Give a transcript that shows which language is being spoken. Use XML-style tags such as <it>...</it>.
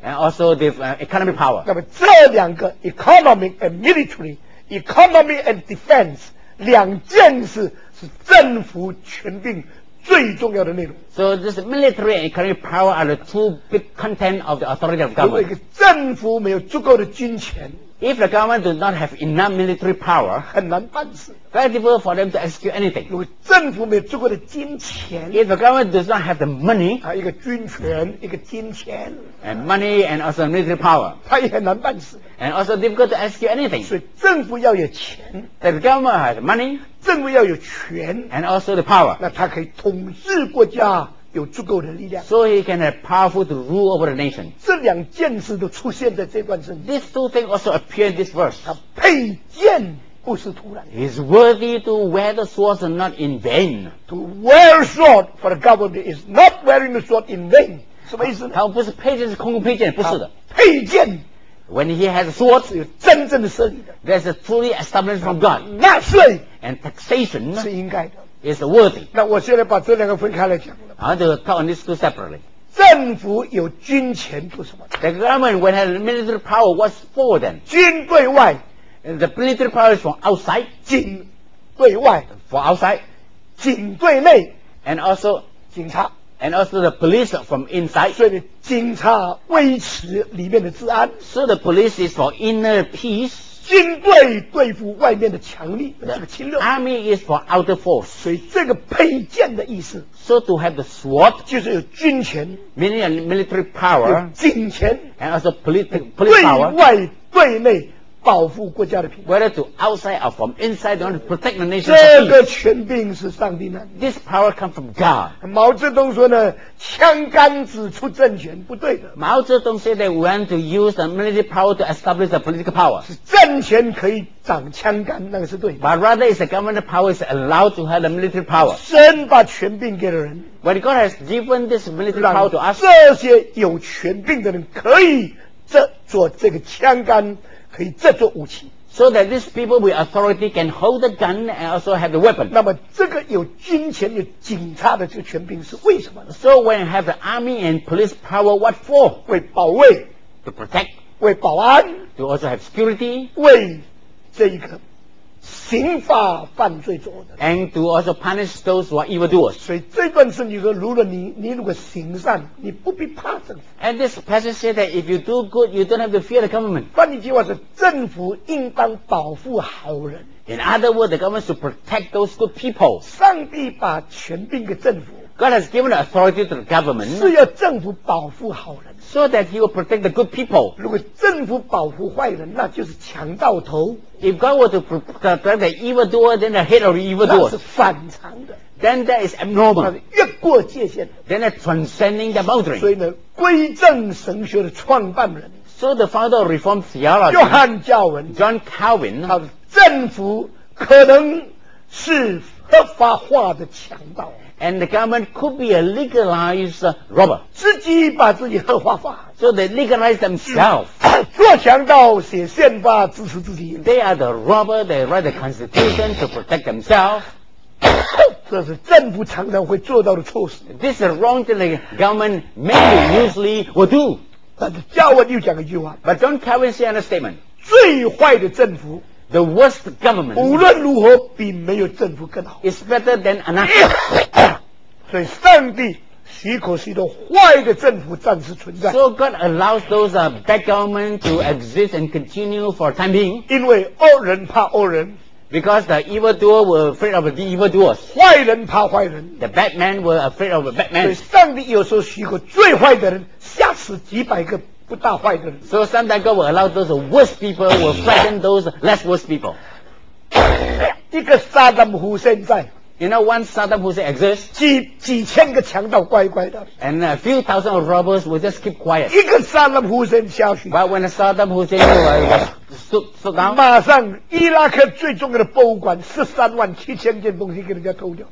<en>And also the economic power.</en> <zh>那么这两个</zh> <en>economic and military, economy and defense,</en> <zh>两件事是政府权柄最重要的内容。</zh> <en>So this military and economic power are the two big content of the authority of government.</en> <zh>如果政府没有足够的军权</zh> <en>，If the government do not have enough military power，</en> <zh>很难办事。</zh> <en>Very difficult for them to execute anything.</en> <zh>如果政府没有足够的金钱</zh> <en>，If the government does not have the money，</en> <zh>啊，一个军权，一个金钱</zh> <en>，and money and also military power，</en> <zh>他也很难办事。</zh> <en>And also difficult to ask you anything.</en> <zh>所以政府要有钱</zh> <en>The government has money.</en> <zh>政府要有权</zh> <en>And also the power.</en> <zh>那他可以统治国家有足够的力量</zh> <en>So he can have powerful to rule over the nation.</en> <zh>这两件事都出现在这段圣经</zh> <en>These two things also appear in this verse.</en> <zh>他佩剑不是突然</zh> <en>He's worthy to wear the sword and not in vain. To wear sword for the government is not wearing the sword in vain.</en> <zh>什么意思呢他不是佩剑是空空佩剑不是的佩剑</zh> <en>When he has a sword,</en> <zh>是有真正的圣的</zh> <en>there's a truly established from God.</en> <zh>纳税</zh> <en>and taxation</en> <zh>是应该的</zh> <en>is worthy.</en> <zh>那我现在把这两个分开来讲了。</zh> <en>I want to talk on these two separately.</en> <zh>政府有军权做什么</zh> <en>？The government when has military power, what's for them?</en> <zh>军对外</zh> <en>，the military power is from outside.</en> <zh>警对外</zh> <en>，for outside.</en> <zh>警对内</zh> <en>，and also</en> <zh>警察。</zh> <en>And also the police from inside.</en> <zh>所以警察维持里面的治安。</zh> <en>So the police is for inner peace.</en> <zh>军队对付外面的强力这个侵略。</zh> <en>Army is for outer force.</en> <zh>所以这个佩剑的意思。</zh> <en>So to have the sword.</en> <zh>就是有军权。</zh> <en>Meaning a military power.</en> <zh>有警权。</zh> <en>And also police power.</en> <zh>对外对内保护国家的平安。</zh> <en>Whether to outside or from inside, they want to protect the nation.</en> <zh>这个权柄是上帝的。</zh> <en>This power comes from God.</en> <zh>毛泽东说呢，枪杆子出政权不对的。</zh> <en>毛泽东 said that we want to use the military power to establish the political power.</en> <zh>是政权可以长枪杆，那个是对的。</zh> <en>But rather, is the government power is allowed to have the military power.</en> <zh>神把权柄给了人。</zh> <en>When God has given this military power to us,</en> <zh>这些有权柄的人可以这做这个枪杆。可以这做武器</zh> <en>so that these people with authority can hold the gun and also have the weapon</en> <zh>那么这个有军权有警察的这个权柄是为什么呢</zh> <en>so when you have the army and police power what for</en> <zh>为保卫</zh> <en>to protect</en> <zh>为保安</zh> <en>to also have security</en> <zh>为这一个刑法犯罪做的</zh> <en>and to also punish those who are evildoers</en> <zh>所以这段圣经说如果你如果行善你不必怕政府</zh> <en>and this passage said that if you do good you don't have to fear the government</en> <zh>换一句话是政府应当保护好人</zh> <en>in other words the government should protect those good people</en> <zh>上帝把权柄给政府</zh> <en>God has given the authority to the government</en> <zh>是要政府保护好人</zh> <en>so that he will protect the good people</en> <zh>如果政府保护坏人那就是强盗头</zh> <en>If God were to protect the evildoer, then the head of the evildoer.</en> <zh>那是反常的。</zh> <en>Then that is abnormal.</en> <zh>越过界限。</zh> <en>Then that's transcending the boundary.</en> <zh>所以呢，归正神学的创办人。</zh> <en>So the founder of Reformed theology.</en> <zh>约翰·加尔文。</zh> <en>John Calvin.</en> <zh>他的政府可能是合法化的强盗。</zh> <en>And the government could be a legalized robber.</en> <zh>自己把自己合法化。</zh> <en>So they legalize themselves.</en> <zh>做强盗写宪法支持自己。</zh> <en>They are the robber. They write the constitution to protect themselves.</en> <zh>这是政府常常会做到的措施。</zh> <en>This is wrong thing the government mainly usually will do.</en> <zh>但是加文又讲一句话。</zh> <en>But John Calvin said a statement.</en> <zh>最坏的政府。</zh> <en>The worst government.</en> <zh>无论如何比没有政府更好。</zh> <en>It's better than anarchy.</en> <zh>所以上帝许可许多坏的政府暂时存在。</zh> <en>So God allows those bad government to exist and continue for time being.</en> <zh>因为恶人怕恶人。</zh> <en>Because the evildoer were afraid of the evildoers.</en> <zh>坏人怕坏人。</zh> <en>The bad man were afraid of a bad man.</en> <zh>所以上帝有时候许可最坏的人吓死几百个不大坏的人。</zh> <en>So sometimes God will allow those worst people will frighten those less worst people.</en> <zh>一个撒旦胡现在。</zh> <en>You know, one Saddam Hussein exists.</en> <zh>几千个强盗乖乖的。</zh> <en>And a few thousand of robbers will just keep quiet.</en> <zh>一个 Saddam Hussein 下去。</zh> <en>But when Saddam Hussein was stood down,</en> <zh>马上伊拉克最重要的博物馆137,000件东西给人家偷掉。</zh>